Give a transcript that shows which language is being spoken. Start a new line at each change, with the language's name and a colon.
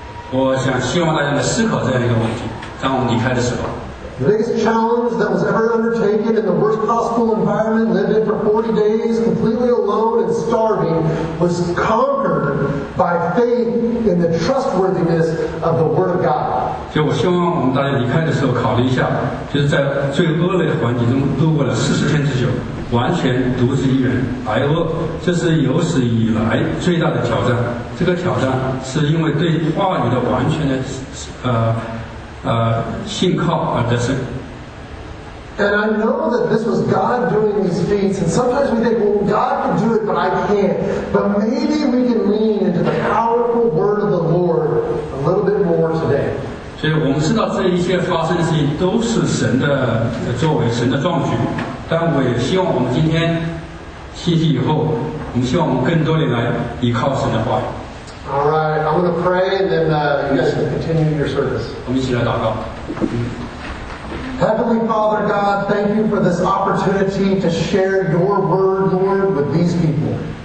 Chinese: 我想希望大家来思考这样一个问题，当我们离开的时候。
English: The biggest challenge that was ever undertaken in the worst possible environment, lived in for 40 days, completely alone and starving, was conquered by faith in the trustworthiness of the Word of God.
Chinese: 就我希望我们大家离开的时候考虑一下，就是在最恶劣的环境中度过了40天之久，完全独自一人挨饿，这是有史以来最大的挑战。这个挑战是因为对话语的完全的，信靠而得胜。
English: And I know that this was God doing these feats, and sometimes we think, well, God can do it, but I can't. But maybe we can lean into the powerful word of the Lord a little bit more today.
Chinese: 所以我们知道这一切发生的事情都是神的作为，神的壮举。但我也希望我们今天信息以后，我们希望我们更多的来依靠神的话语。
English: All right, I'm going to pray and then you guys can continue your service.
Chinese: 我们一起来祷告。
English: Heavenly Father God, thank you for this opportunity to share your word, Lord, with these people.